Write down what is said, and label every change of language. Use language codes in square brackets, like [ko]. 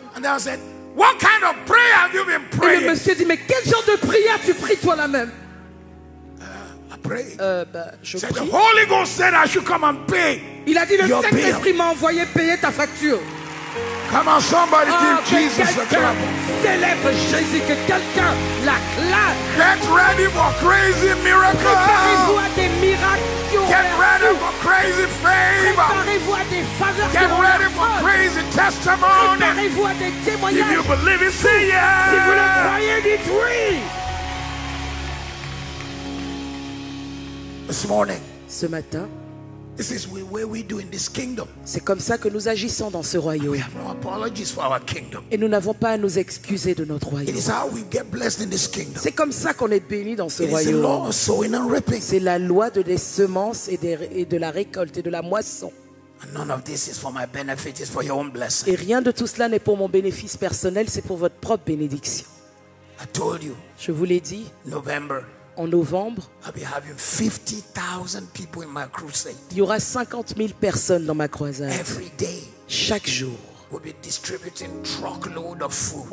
[en] And I said, what kind of prayer have you been praying? [fr] Et le monsieur dit, mais quel genre de prière tu pries toi-même? [en] Said, the Holy Ghost said I should come and pay. [fr] Il a dit le Saint-Esprit m'a envoyé payer ta facture. [en] Come on, somebody give oh, Jesus a clap. [fr] Célèbre Jésus que quelqu'un l'acclame. [en] Get ready for crazy miracles. [fr] Préparez-vous à des miracles. [en] Get ready for crazy favor. [fr] Préparez-vous à des faveurs. [en] Get ready for crazy testimony. [fr] Préparez-vous à des témoignages. [en] If you believe it, say yes. [fr] Si vous le croyez, dites oui. [en] This morning, [fr] ce matin, [en] this is the way we do in this kingdom. [fr] C'est comme ça que nous agissons dans ce royaume. [en] We have no apologies for our kingdom. [fr] Et nous n'avons pas à nous excuser de notre royaume. [en] It is how we get blessed in this kingdom. [fr] C'est comme ça qu'on est béni dans ce [en] it [fr] royaume. [en] Is the law of sowing and reaping. [fr] C'est la loi de des semences et de la récolte et de la moisson. [en] And none of this is for my benefit, it's for your own blessing. [fr] Et rien de tout cela n'est pour mon bénéfice personnel, c'est pour votre propre bénédiction. [en] I told you, [fr] je vous l'ai dit. [en] November. [fr] En novembre, [en] I'll be having 50,000 people in my crusade. [fr] Il y aura 50 000 personnes dans ma croisade. [en] Every day, [fr] chaque jour. [en] We'll be distributing truckload of food.